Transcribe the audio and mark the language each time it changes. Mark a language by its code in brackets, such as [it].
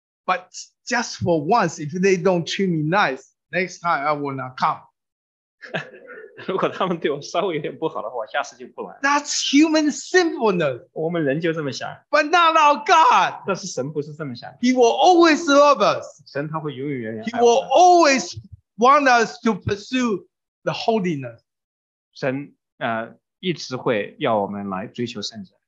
[en] But just for once, if they don't treat me nice, next time I will not come. [zh] 如果他们对我稍微有点不好的话，下次就不来。 [en] That's human sinfulness. [zh] 我们人就这么想。 [en] But not our God. [zh] 但是神不是这么想。 [en] He will always love us. [zh] 神他会永远爱我们。 [en] He will always want us to pursue the holiness. [zh] 神一直会要我们来追求圣洁。